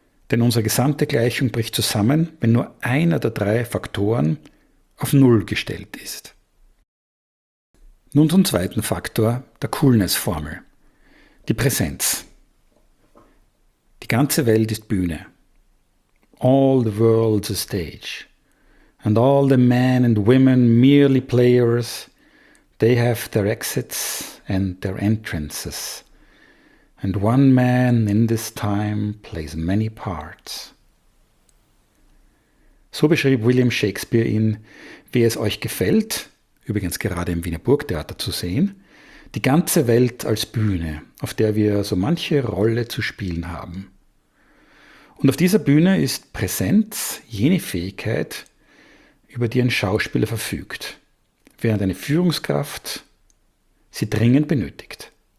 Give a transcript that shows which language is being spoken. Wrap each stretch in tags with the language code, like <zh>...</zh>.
<de>Denn unsere gesamte Gleichung bricht zusammen, wenn nur einer der drei Faktoren auf Null gestellt ist. Nun zum zweiten Faktor, der Coolness-Formel. Die Präsenz. Die ganze Welt ist Bühne.</de> <en>All the world's a stage. And all the men and women merely players. They have their exits and their entrances. And one man in this time plays many parts.</en> <de>So beschrieb William Shakespeare in Wie es euch gefällt, übrigens gerade im Wiener Burgtheater zu sehen, die ganze Welt als Bühne, auf der wir so manche Rolle zu spielen haben. Und auf dieser Bühne ist Präsenz jene Fähigkeit, über die ein Schauspieler verfügt, während eine Führungskraft sie dringend benötigt.</de>